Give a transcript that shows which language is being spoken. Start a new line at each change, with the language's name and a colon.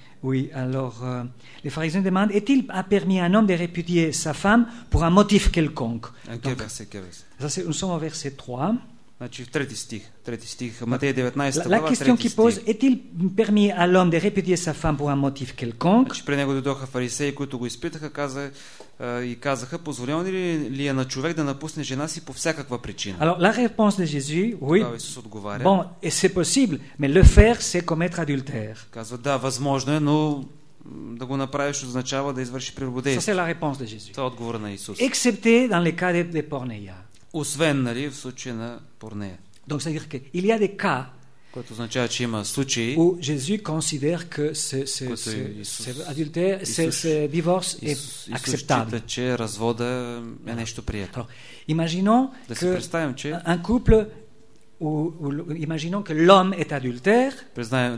French: Oui, alors, les pharisiens demandent, est-il permis à un homme de répudier sa femme pour un motif quelconque? Quel verset? Nous sommes au verset 3.
Bulgarian: Третий стих, Матея 19,
French: la question qui pose, est-il permis à l'homme de répudier sa femme pour un motif quelconque?
Bulgarian: Значи, при него дойдоха фарисеи, които го изпитаха, казаха, позволено ли е на човек да напусне жена си по всякаква причина?
French: Alors, la réponse de Jésus, oui.
Bulgarian: Тогава Исус отговаря.
French: Bon, et c'est possible, mais le faire, c'est commettre adultère.
Bulgarian: Казва, да, възможно е, но да го направиш означава да извърши прелюбодейство.
French: Ça, c'est la réponse de Jésus.
Bulgarian: Това е отговор на Исус.
French: Excepté dans les cas de porneia.
Bulgarian: Освен, нали, в случая на порнея.
French: Donc ça veut dire qu'il y a des cas,
Bulgarian: което означава, че има случаи,
French: où Jésus considère que ce divorce est acceptable.
Bulgarian: Исус счита, че развода е нещо прието.
French: Imaginons
Bulgarian: да
French: que
Bulgarian: че
French: un couple imaginons que l'homme est adultère.